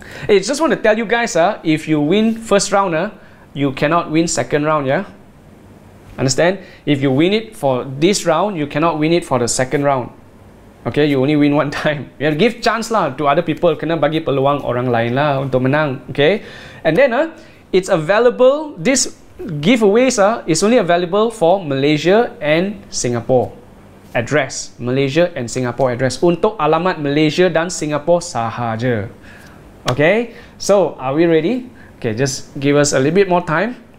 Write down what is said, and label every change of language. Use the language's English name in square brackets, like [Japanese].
[English] I just want to tell you guys, if you win first round, you cannot win second round, yeah? Understand? If you win it for this round, you cannot win it for the second round. Okay, you only win one time. You have to give chance lah to other people. [Malay] Kena bagi peluang orang lain lah untuk menang. [English] Okay? And then, it's available. This giveaways is only available for Malaysia and Singapore address. Malaysia and Singapore address. [Malay] Untuk alamat Malaysia dan Singapore sahaja. Okay? [English] So, are we ready? Okay, just give us a little bit more time.